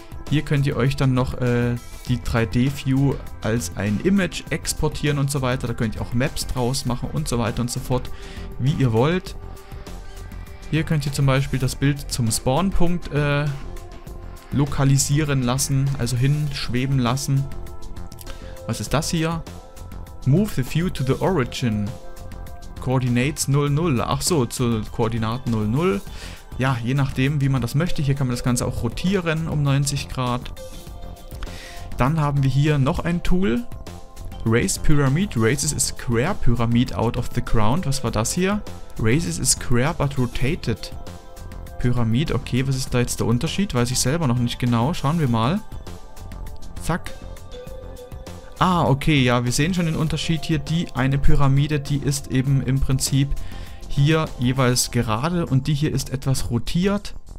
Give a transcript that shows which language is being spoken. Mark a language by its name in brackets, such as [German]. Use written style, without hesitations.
[German] Hier könnt ihr euch dann noch die 3D-View als ein Image exportieren und so weiter. Da könnt ihr auch Maps draus machen und so weiter und so fort, wie ihr wollt. Hier könnt ihr zum Beispiel das Bild zum Spawnpunkt lokalisieren lassen, also hinschweben lassen. Was ist das hier? [English] Move the view to the origin. [German] Coordinates 00. Ach so, zu Koordinaten 00. Ja, je nachdem, wie man das möchte. Hier kann man das Ganze auch rotieren um 90 Grad. Dann haben wir hier noch ein Tool. [English] Raise Pyramid. Raises a square pyramid out of the ground. [German] Was war das hier? [English] Raises a square but rotated Pyramid. [German] Okay, was ist da jetzt der Unterschied? Weiß ich selber noch nicht genau. Schauen wir mal. Zack. Ah, okay, ja, wir sehen schon den Unterschied hier. Die eine Pyramide, die ist eben im Prinzip hier jeweils gerade und die hier ist etwas rotiert.